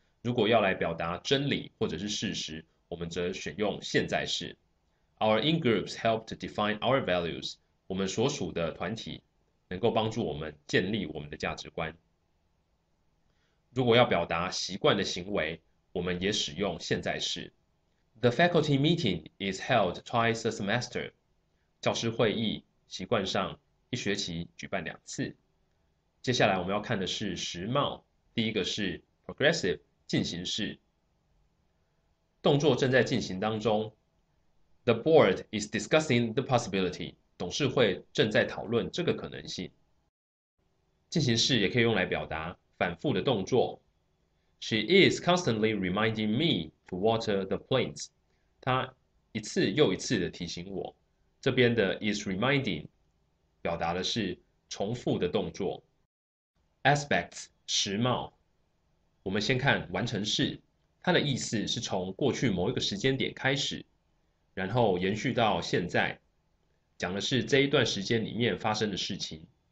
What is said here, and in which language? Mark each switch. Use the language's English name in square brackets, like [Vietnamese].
[Chinese] 如果要来表达真理或者是事实，我们则选用现在式。 [English] Our in-groups help to define our values. [Chinese] 我们所属的团体能够帮助我们建立我们的价值观。如果要表达习惯的行为，我们也使用现在式。 [English] The faculty meeting is held twice a semester. [Chinese] 教师会议习惯上一学期举办两次。接下来我们要看的是时髦，第一个是 progressive 进行式。动作正在进行当中。 [English] The board is discussing the possibility. [Chinese] 董事会正在讨论这个可能性。进行式也可以用来表达反复的动作。 [English] She is constantly reminding me to water the plants. [Chinese] 她一次又一次的提醒我。这边的 [English] is reminding [Chinese] 表达的是重复的动作。 Aspects 时髦。我们先看完成式，它的意思是从过去某一个时间点开始，然后延续到现在，讲的是这一段时间里面发生的事情。